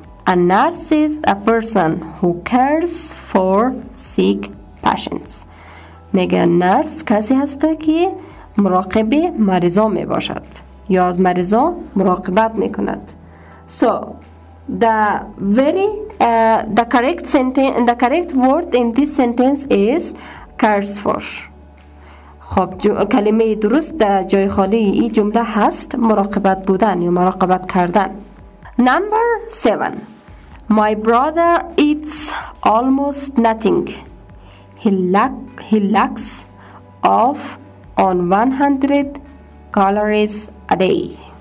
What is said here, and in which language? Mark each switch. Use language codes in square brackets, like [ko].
[en] A nurse is a person who cares for sick patients. [fa] میگه نرس کسی هست که مراقب مریضا می باشد یا از مریضا مراقبت می کند. [en] So the correct word in this sentence is cares for. [fa] خب کلمه درست در جای خالی این جمله هست مراقبت بودن یا مراقبت کردن. [en] Number 7. My brother eats almost nothing. He lacks of on 100 calories a day.